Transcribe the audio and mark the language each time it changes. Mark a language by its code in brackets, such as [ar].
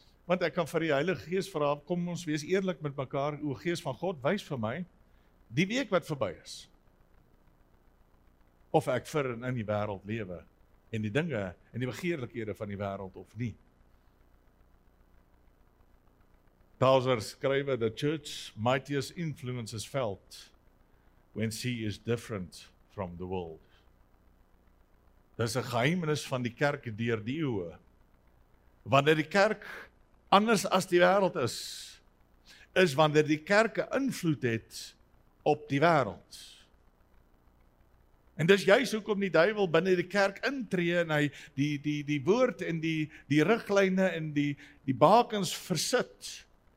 [af] Want ek kan vir die Heilige Gees vra, kom ons wees eerlik met mekaar, o Gees van God, wys vir my die week wat verby is. Of ek vir en in die wêreld lewe en die dinge en die begeerlikhede van die wêreld of nie. [en] Tauser skrywe, the church mightiest influence is felt when she is different from the world. [af] Dis 'n geheimnis van die kerk deur die eeue. Wanneer die kerk anders as die wêreld is, is wanneer die kerk 'n invloed het op die wêreld. En dis juist hoekom die duiwel binne die kerk intree en hy die woord en die riglyne en die bakens versit.